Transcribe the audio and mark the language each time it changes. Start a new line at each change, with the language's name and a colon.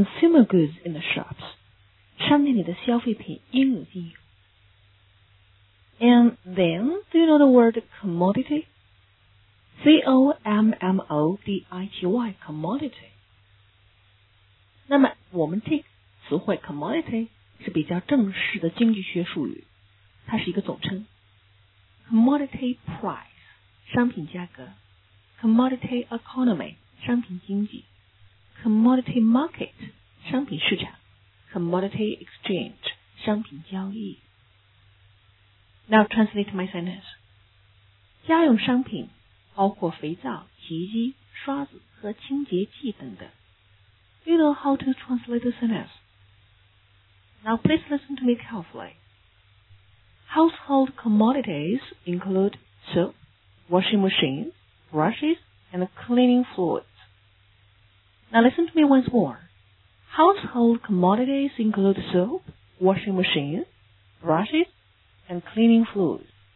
Chinese: 商店里的消费品应有尽有。
English: And then, do you know the word commodity? C-O-M-M-O-D-I-T-Y, commodity.
Chinese: 那么我们这个词汇 commodity 是比较正式的经济学术语，它是一个总称。
English: Commodity price,
Chinese: 商品价格。
English: Commodity economy,
Chinese: 商品经济。
English: Commodity market,
Chinese: 商品市场。
English: Commodity exchange,
Chinese: 商品交易。
English: Now translate my sentence.
Chinese: 家用商品包括肥皂、洗衣机、刷子和清洁剂等等。
English: Do you know how to translate the sentence? Now please listen to me carefully. Household commodities include soap, washing machine, brushes, and cleaning fluids. Now listen to me once more. Household commodities include soap, washing machine, brushes,and cleaning fluids.